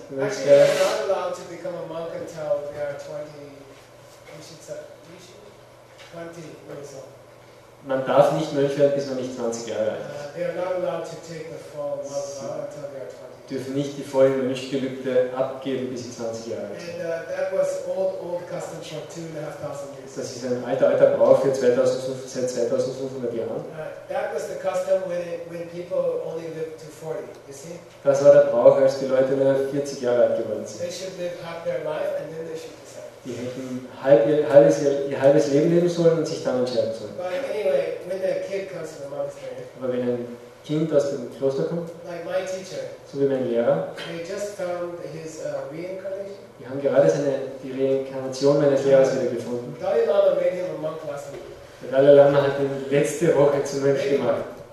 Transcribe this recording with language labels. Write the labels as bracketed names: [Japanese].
[English] Actually, you're not allowed to become a monk until they are 20 years old. [German] Man darf nicht Mönch werden, bis man nicht 20 Jahre alt ist. [English] They are not allowed to take the full monk until they are 20. [German] Dürfen nicht die vollen Mönchgelübde abgeben, bis sie 20 Jahre alt sind. [English] That was old custom for 2,500 years. [German] Das ist ein alter Brauch für 2,500 Jahren. [English] That was the custom when people only lived to 40. You see? [German] Das war der Brauch, als die Leute nur 40 Jahre alt geworden sind. [English] They should live half their life and then they should. [German] Die hätten ihr halbes Leben leben sollen und sich dann entscheiden sollen. [English] Anyway, when the kid comes to the monastery, [German] aber wenn ein Kind aus dem Kloster kommt, [English] like my teacher, [German] so wie mein Lehrer, [English] they just found his reincarnation. [German] Die haben gerade die Reinkarnation meines Lehrers wieder gefunden. [English] Dalai Lama made him a monk last week. [German] Der Dalai Lama hat ihn letzte Woche zum Mönch gemacht.